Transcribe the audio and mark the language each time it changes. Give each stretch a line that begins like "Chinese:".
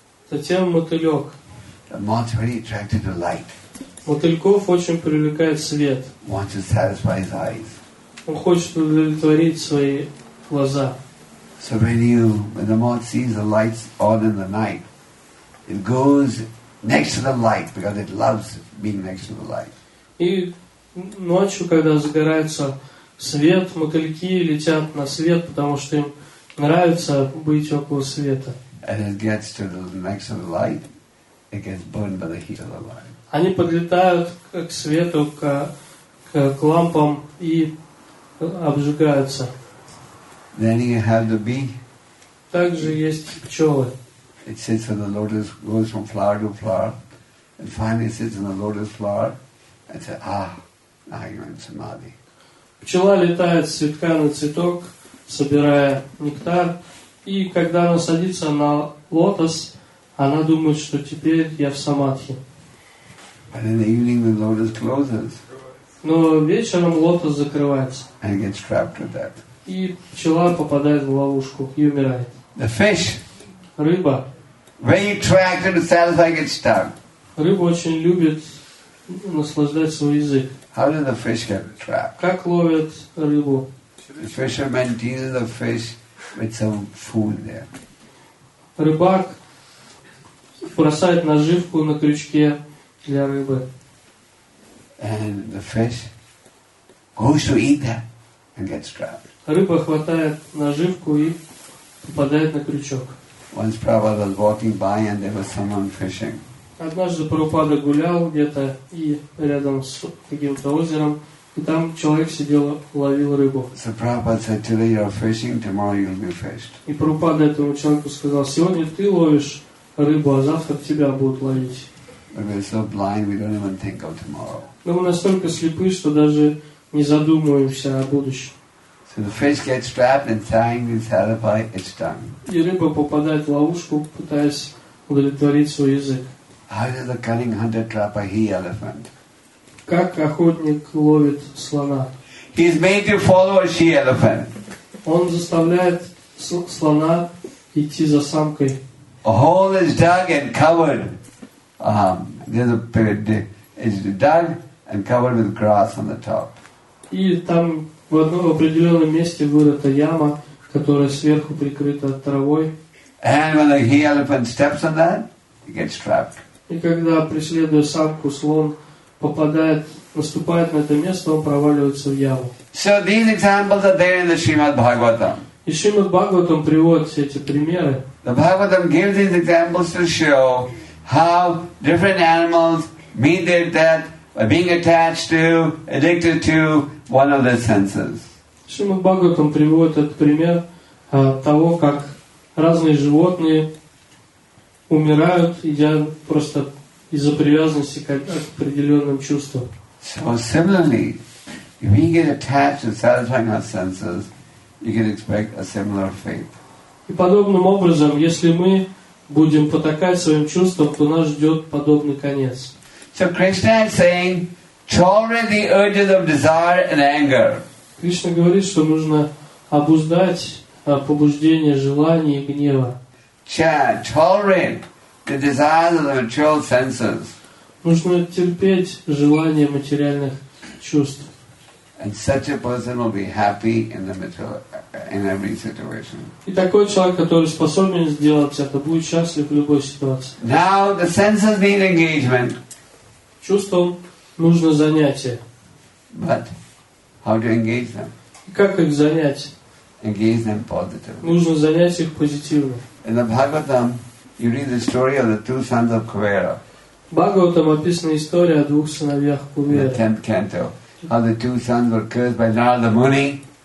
Russian: Затем мотылек.
English: The moth very attracted to light.
Russian: Мотыльков очень привлекает свет.
English: Wants to satisfy his eyes.
Russian: Он хочет удовлетворить свои глаза.
English: So when the moth sees the lights on in the night, it goes next to the light because it loves being next to the light.
Russian: И ночью, когда загорается свет, мотыльки летят на свет, потому что им нравится быть около света.
English: And it gets to the next to the light, it gets burned by the heat of the light.
Russian: Они подлетают к свету, к лампам и обжигаются.
English: Then you have the bee.
Russian: Также есть пчелы.
English: It sits on the lotus, goes from flower to flower, and finally sits on the lotus flower and says, "Ah, now you're in samadhi."
Russian: Пчела летает с цветка на цветок, собирая нектар, и когда она садится на лотос, она думает, что теперь я в самадхи.
English: And in the evening, the lotus closes.
Russian: Но вечером лотос закрывается.
English: And gets trapped with that.
Russian: И пчела попадает в ловушку и умирает.
English: The fish.
Russian: Рыба.
English: Very attracted to satisfy its tongue.
Russian: Рыба очень любит наслаждать свой язык.
English: How did the fish get trapped?
Russian: Как ловят рыбу?
English: The fisherman teases the fish with some food there.
Russian: Рыбак бросает наживку на крючке для рыбы.
English: And the fish goes to eat that and gets trapped.
Russian: Рыба хватает наживку и попадает на крючок.
English: Once Prabhupada was walking by and there was someone fishing.
Russian: Однажды Прабхупада гулял где-то и рядом с каким-то озером, и там человек сидел, ловил рыбу.
English: So Prabhupada said, "Today you are fishing, tomorrow you'll be fished."
Russian: И Прабхупада этому человеку сказал: "Сегодня ты ловишь рыбу, а завтра тебя будут ловить."
English: But we're so blind, we don't even think of tomorrow.
Russian: Но мы настолько слепы, что даже не задумываемся о будущем.
English: So the fish gets trapped and trying to satisfy its tongue.
Russian: И рыба попадает в ловушку, пытаясь удовлетворить свой язык.
English: How does the cunning hunter trap a he elephant?
Russian: Как охотник ловит слона?
English: He is made to follow a she elephant.
Russian: Он заставляет слона идти за самкой.
English: A hole is dug and covered. There's a pit. It's dug and covered with grass on the top.
Russian: И там в одном определенном месте вырыта яма, которая сверху прикрыта травой.
English: And when the he elephant steps on that, he gets trapped.
Russian: И когда преследуя самку, слон попадает, наступает на это место, он проваливается в яму.
English: So these examples are there in the Srimad Bhagavatam.
Russian: И Шримад Бхагаватам приводит все эти примеры.
English: The Bhagavatam gives these examples to show how different animals meet their death by being attached to, addicted to one of their senses.
Russian: Шримад Бхагаватам приводит этот пример того, как разные животные умирают, идя просто из-за привязанности к определенным чувствам.
English: So similarly, if we get attached to satisfying our senses, you can expect a similar fate.
Russian: И подобным образом, если мы будем потакать своим чувствам, то нас ждет подобный конец.
English: So Krishna is saying, tolerate the urges of desire and anger.
Russian: Кришна говорит, что нужно обуздать побуждение желания и гнева.
English: Tolerate, the desires of the material senses.
Russian: Нужно терпеть желания материальных чувств.
English: And such a person will be happy in the material, in every situation.
Russian: И такой человек, который способен сделать это, будет счастлив в любой ситуации.
English: Now the senses need engagement.
Russian: Чувствам нужно занятие.
English: But how to engage them?
Russian: Как их занять?
English: Engage them positively.
Russian: Нужно занять их позитивно.
English: In the Bhagavatam, you read the story of the two sons of Kuvera.
Russian: Bhagavatam описана история о двух сыновьях Кувера.
English: In the 10th canto, how the two sons were cursed by Narada Muni.